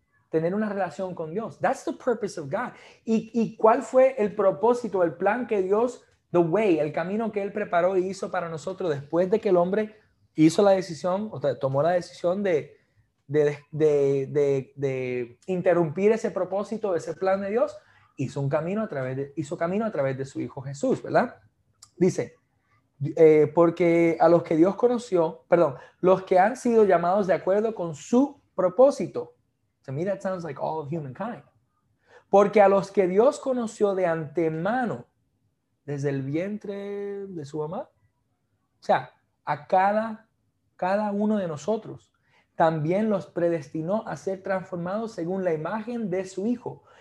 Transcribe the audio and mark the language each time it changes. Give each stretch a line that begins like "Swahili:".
Spanish: Tener una relación con Dios.
English: That's the purpose of God.
Spanish: ¿Y cuál fue el propósito, el plan que Dios,
English: the way,
Spanish: el camino que Él preparó y hizo para nosotros después de que el hombre hizo la decisión, o sea, tomó la decisión de interrumpir ese propósito, ese plan de Dios? Hizo camino a través de su Hijo Jesús, ¿verdad? Dice, porque a los que Dios conoció, perdón, los que han sido llamados de acuerdo con su propósito.
English: To me, that sounds like all of humankind.
Spanish: Porque a los que Dios conoció de antemano, desde el vientre de su mamá, o sea, a cada uno de nosotros, también los predestinó a ser transformados según la imagen de su Hijo.